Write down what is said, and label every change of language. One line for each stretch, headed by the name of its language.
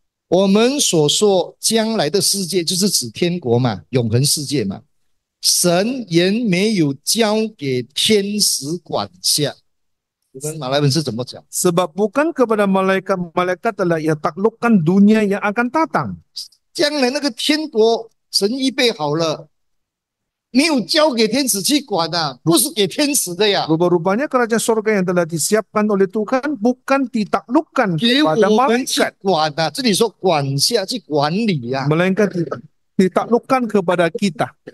Chinese: 我们所说将来的世界，就是指天国嘛，永恒世界嘛。神也没有交给天使管辖。你们马来文是怎么讲？
Malay: Sebab bukan kepada malaikat, malaikat telah ia taklukkan dunia yang akan datang.
Chinese: 将来那个天国，神预备好了，没有交给天使去管啊，不是给天使的呀。
Malay: Rupa-rupanya kerajaan surga yang telah disiapkan oleh Tuhan bukan ditaklukkan
Chinese: 给
Malay: kepada
Chinese: 我们去
Malay: malaikat.
Chinese: 管啊，这里说管下去管理呀、
Malay: Melainkan ditaklukkan kepada kita.